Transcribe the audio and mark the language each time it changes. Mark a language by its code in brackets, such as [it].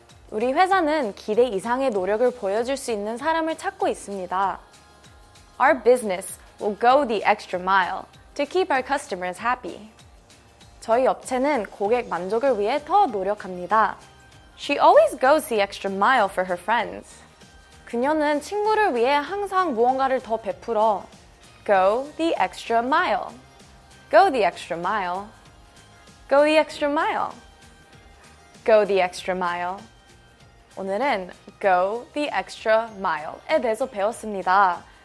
[ko] 우리 회사는 기대 이상의 노력을 보여줄 수 있는 사람을 찾고 있습니다. [en] Our business will go the extra mile to keep our customers happy. [ko] 저희 업체는 고객 만족을 위해 더 노력합니다. [en] She always goes the extra mile for her friends. [ko] 그녀는 친구를 위해 항상 무언가를 더 베풀어. [en] Go the extra mile. Go the extra mile. Go the extra mile. Go the extra mile. [ko] 오늘은 [en] Go the extra mile [ko] 에 대해서 배웠습니다.